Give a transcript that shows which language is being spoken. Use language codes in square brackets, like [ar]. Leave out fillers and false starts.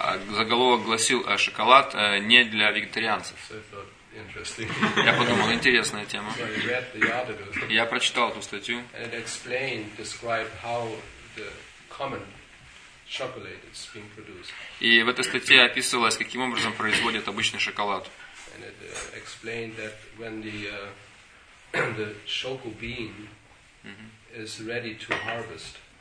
[ru] Заголовок гласил «Шоколад не для вегетарианцев». [en] Interesting. [ru] Я подумал, интересная тема. [en] So I read the article, [ru] я прочитал эту статью. [en] And it explained, described how the common chocolate is being produced. [ru] И в этой статье описывалось, каким образом производят обычный шоколад. [en] And it explained that when the choco bean is ready to harvest,